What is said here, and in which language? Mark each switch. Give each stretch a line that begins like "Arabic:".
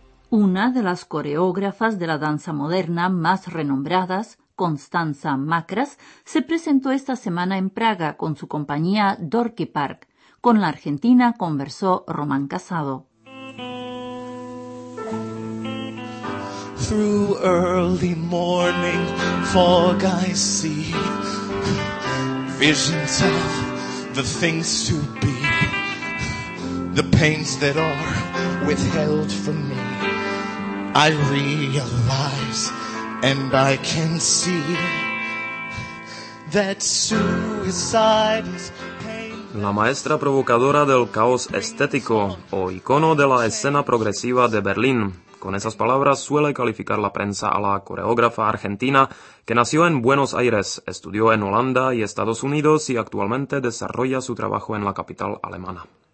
Spanish: Una de las coreógrafas de la danza moderna más renombradas, Constanza Macras, se presentó esta semana en Praga con su compañía Dorky Park. Con la argentina conversó Román Casado.
English: Through early morning fog I see visions of the things to be, the pains that are withheld from me. I realize and I can see that suicide is pain.
Spanish: La maestra provocadora del caos estético o icono de la escena progresiva de Berlín. Con esas palabras suele calificar la prensa a la coreógrafa argentina que nació en Buenos Aires, estudió en Holanda y Estados Unidos y actualmente desarrolla su trabajo en la capital alemana.